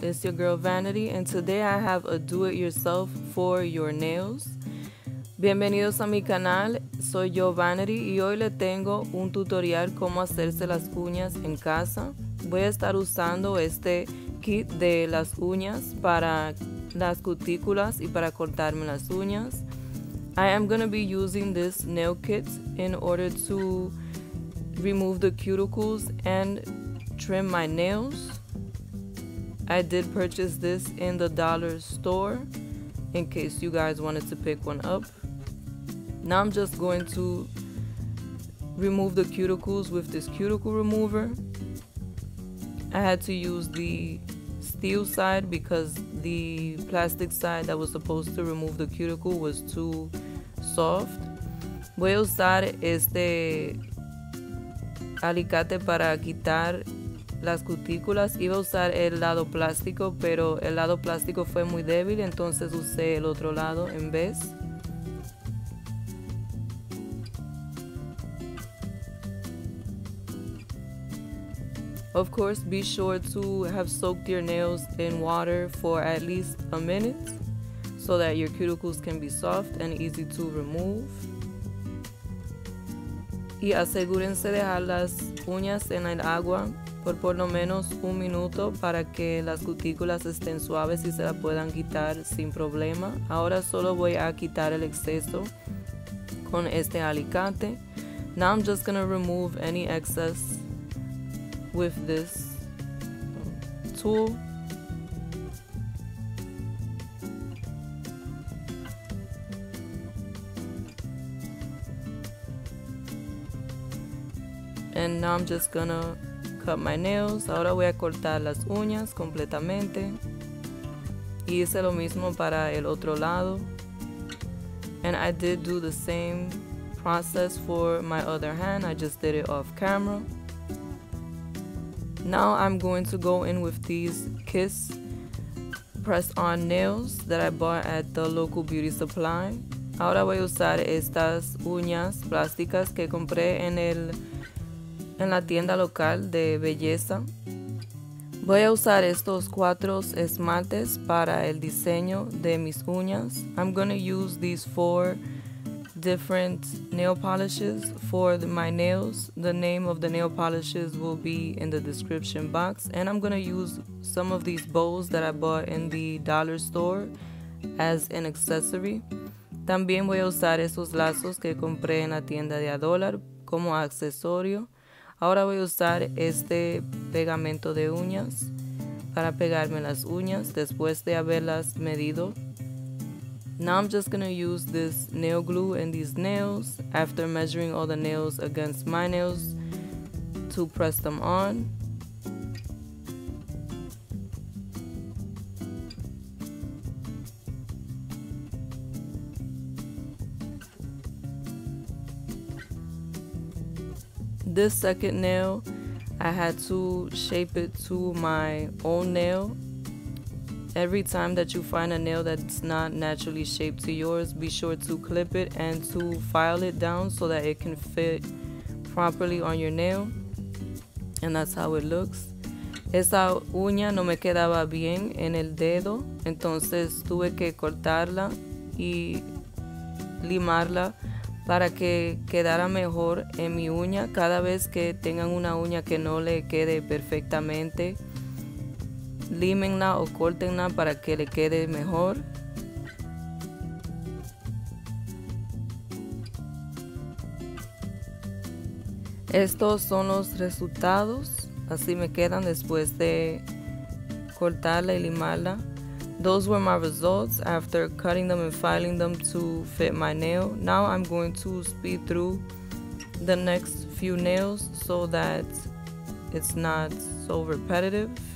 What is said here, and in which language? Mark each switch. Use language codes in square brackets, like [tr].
[en] It's your girl Vanity, and today I have a do-it-yourself for your nails. [es] Bienvenidos a mi canal, soy yo Vanity, y hoy le tengo un tutorial cómo hacerse las uñas en casa. Voy a estar usando este kit de las uñas para las cutículas y para cortarme las uñas. [en] I am going to be using this nail kit in order to remove the cuticles and trim my nails. I did purchase this in the dollar store in case you guys wanted to pick one up. Now I'm just going to remove the cuticles with this cuticle remover. I had to use the steel side because the plastic side that was supposed to remove the cuticle was too soft. [es] Voy a usar este alicate para quitar las cutículas. Iba a usar el lado plástico, pero el lado plástico fue muy débil, entonces usé el otro lado en vez. [en] Of course, be sure to have soaked your nails in water for at least a minute so that your cuticles can be soft and easy to remove. [es] Y asegúrense de dejar las uñas en el agua por lo menos un minuto para que las cutículas estén suaves y se las puedan quitar sin problema. Ahora solo voy a quitar el exceso con este alicate. [en] Now I'm just gonna remove any excess with this tool. And now I'm just gonna cut my nails. [es] Ahora voy a cortar las uñas completamente. Y hice lo mismo para el otro lado. [en] And I did do the same process for my other hand. I just did it off camera. Now I'm going to go in with these Kiss press-on nails that I bought at the local beauty supply. [es] Ahora voy a usar estas uñas plásticas que compré en la tienda local de belleza. Voy a usar estos cuatro esmaltes para el diseño de mis uñas. [en] I'm going to use these four different nail polishes for my nails. The name of the nail polishes will be in the description box. And I'm going to use some of these bows that I bought in the dollar store as an accessory. [es] También voy a usar esos lazos que compré en la tienda de a dólar como accesorio. Ahora voy a usar este pegamento de uñas para pegarme las uñas después de haberlas medido. [en] Now I'm just going to use this nail glue and these nails after measuring all the nails against my nails to press them on. This second nail, I had to shape it to my own nail. Every time that you find a nail that's not naturally shaped to yours, be sure to clip it and to file it down so that it can fit properly on your nail. And that's how it looks. [es] Esa uña no me quedaba bien en el dedo, entonces tuve que cortarla y limarla para que quedara mejor en mi uña. Cada vez que tengan una uña que no le quede perfectamente, límenla o córtenla para que le quede mejor. Estos son los resultados. Así me quedan después de cortarla y limarla. [en] Those were my results after cutting them and filing them to fit my nail. Now I'm going to speed through the next few nails so that it's not so repetitive.